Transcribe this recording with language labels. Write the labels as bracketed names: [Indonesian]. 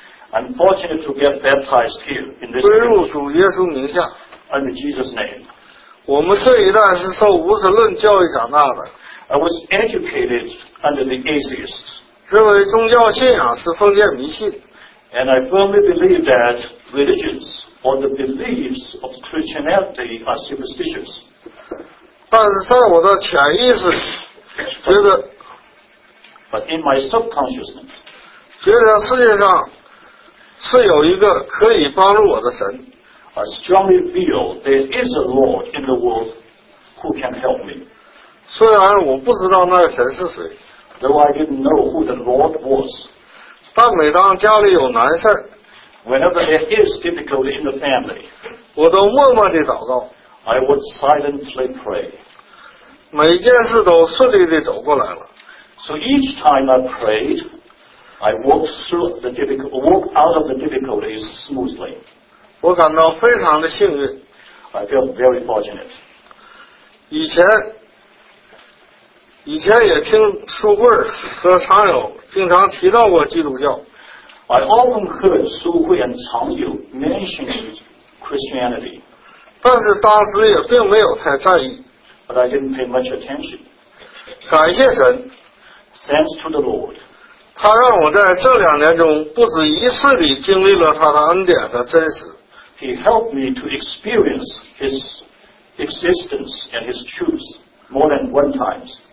[English] I'm fortunate to get baptized here in this [Chinese] 归入主耶稣名下。 [English] Under Jesus' name. [Chinese] 我们这一代是受无神论教育长大的。 [English] I was educated under the atheists. [Chinese] 认为宗教信仰是封建迷信。 [English] And I firmly believe that religions or the beliefs of Christianity are superstitious. [Chinese] 但是在我的潜意识里，觉得 [English] ，But in my subconsciousness, [Chinese] 觉得世界上是有一个可以帮助我的神。 [English] I strongly feel there is a Lord in the world who can help me. [Chinese] 虽然我不知道那个神是谁。 [English] Though I didn't know who the Lord was. [Chinese] 但每当家里有难事 [English] Whenever there is difficulty in the family. [Chinese] 我都默默地祷告。 [English] I would silently pray. [Chinese] 每件事都顺利地走过来了。 [English] So each time I prayed, I walked out of the difficulties smoothly. [Chinese] 我感到非常的幸运。 [English] I feel very fortunate. [Chinese] 以前也听书慧和常友经常提到过基督教。 [English] I often heard 书慧 and 常友 mention Christianity. [Chinese] 但是当时也并没有太在意。 [English] But I didn't pay much attention. [Chinese] 感谢神。 [English] Thanks to the Lord. [Chinese] 他让我在这两年中不止一次地经历了他的恩典和真实。 [English] He helped me to experience his existence and his truth more than one time.